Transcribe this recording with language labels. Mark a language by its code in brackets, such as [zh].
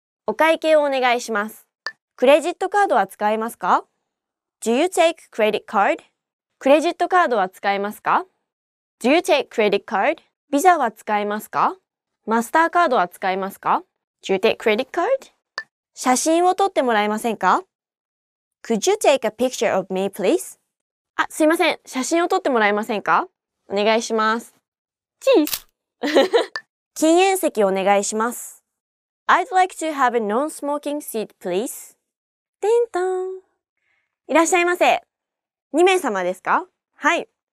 [ja] お会計をお願いします。クレジットカードは使えますか? [en] Do you take credit card? [ja] クレジットカードは使えますか? [en] Do you take credit card? [ja] ビザは使えますか? マスターカードは使えますか? [en] Do you take credit card? [ja] 写真を撮ってもらえませんか? [en] Could you take a picture of me, please? [ja] あ、すいません。写真を撮ってもらえませんか? お願いします。チーズ! 禁煙席お願いします。 [en] I'd like to have a non-smoking seat, please. [ja] テントン。いらっしゃいませ。2名様ですか?はい。